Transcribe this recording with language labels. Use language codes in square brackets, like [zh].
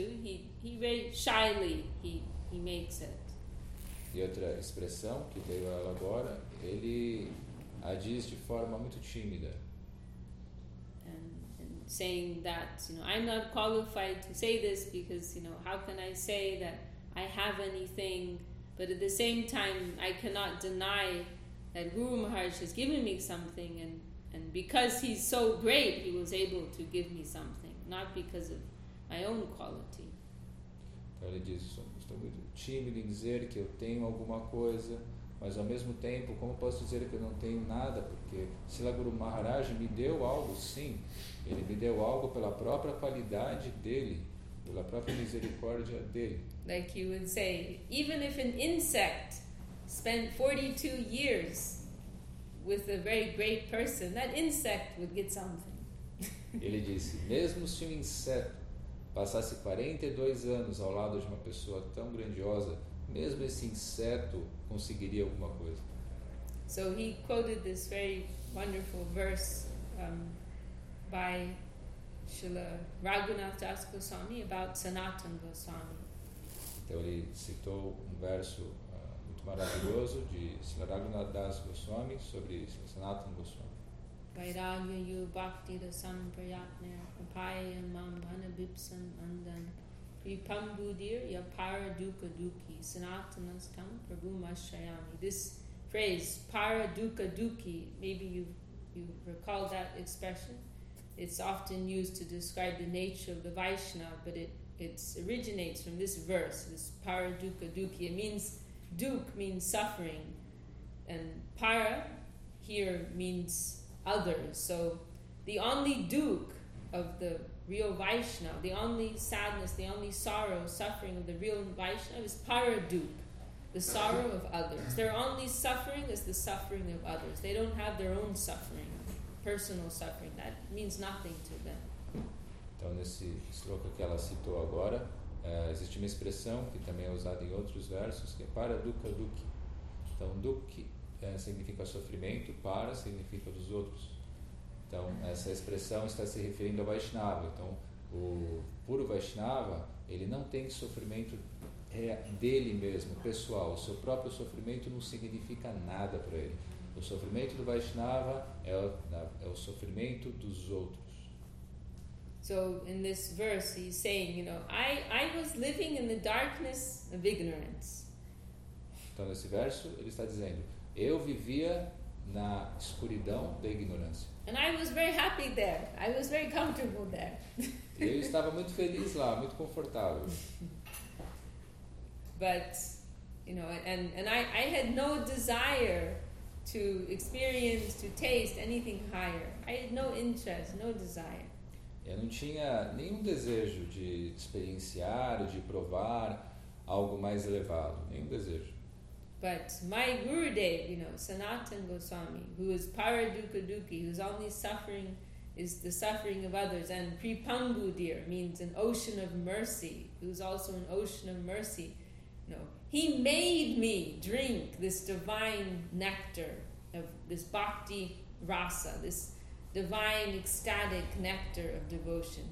[en] He very shyly he makes it. [pt] E outra expressão que veio a ela agora, ele a diz de forma muito tímida. [en] And saying that, you know, I'm not qualified to say this because, you know, how can I say that I have anything? But at the same time, I cannot deny that Guru Maharaj has given me something, and because he's so great, he was able to give me something, not because of my own quality. [pt] Então ele diz, estou muito tímido em dizer que eu tenho alguma coisa, mas ao mesmo tempo, como posso dizer que eu não tenho nada? Porque se lá Guru Maharaj me deu algo, sim, ele me deu algo pela própria qualidade dele. Pela própria misericórdia dele. [en] Like you would say, even if an insect spent 42 years with a very great person, that insect would get something. [pt] Ele disse, mesmo se um inseto passasse 42 anos ao lado de uma pessoa tão grandiosa, mesmo esse inseto conseguiria alguma coisa. [en] So he quoted this very wonderful verse by Srila Raghunath Das Goswami about Sanatana Goswami. [pt] Então ele citou um verso muito maravilhoso de Srila Raghunath Das Goswami sobre Sanatana Goswami. [sa] Vairagya yu bhakti rasam prayatne apaya mam bhana bipsam andan vipam budir yapara dukkha dukkhi sanatanas tam prabhu mashayami. [en] This phrase, para dukkha dukkhi, maybe you recall that expression. It's often used to describe the nature of the Vaishnava, but it originates from this verse, this para dukkha dukkhi. It means dukkha means suffering, And para here means others. So the only dukkha of the real Vaishnava, the only sadness, the only sorrow, suffering of the real Vaishnava is para dukkha, the sorrow of others. Their only suffering is the suffering of others. They don't have their own suffering, personal suffering. That means nothing to them. [pt] Então, nesse sloka que ela citou agora, existe uma expressão que também é usada em outros versos, que é para dukkha dukkhi. Então, dukkhi significa sofrimento, para significa dos outros. Então, essa expressão está se referindo ao Vaishnava. Então, o puro Vaishnava, ele não tem sofrimento dele mesmo, pessoal. O seu próprio sofrimento não significa nada para ele. O sofrimento do Vaishnava é o sofrimento dos outros. [en] So in this verse he's saying, you know, I was living in the darkness of ignorance. [pt] Então nesse verso ele está dizendo, eu vivia na escuridão da ignorância. [en] And I was very happy there. I was very comfortable there. [pt] Eu estava muito feliz lá, muito confortável. [en] But you know, and I had no desire to experience, to taste anything higher. I had no interest, no desire. [pt] Eu não tinha nenhum desejo de experienciar, de provar algo mais elevado, nenhum desejo. [en] But my Gurudev, you know, Sanatana Goswami, who is Paradukha Dukhi, whose only suffering is the suffering of others, and Pripangudir means an ocean of mercy, who's also an ocean of mercy, you know, he made me drink this divine nectar of this bhakti rasa, this divine ecstatic nectar of devotion.